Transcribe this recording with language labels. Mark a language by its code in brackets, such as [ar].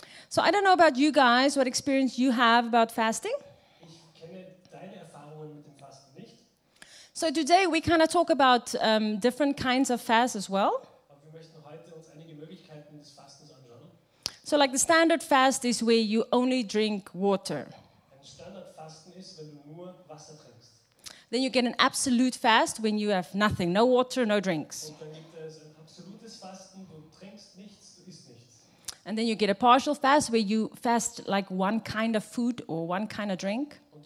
[en] So I don't know about you guys, what experience you have about fasting. [de] Ich kenne deine Erfahrungen mit dem Fasten nicht. [en] So today we kind of talk about different kinds of fast as well. [de] Aber wir möchten heute uns einige Möglichkeiten des Fastens anschauen. [en] So like the standard fast is where you only drink water. [de] Ein Standardfasten ist, wenn du nur Wasser trinkst. [en] Then you get an absolute fast when you have nothing, no water, no drinks. [de] Und dann gibt es ein absolutes Fasten, du trinkst nichts, du isst nichts. [en] And then you get a partial fast where you fast like one kind of food or one kind of drink.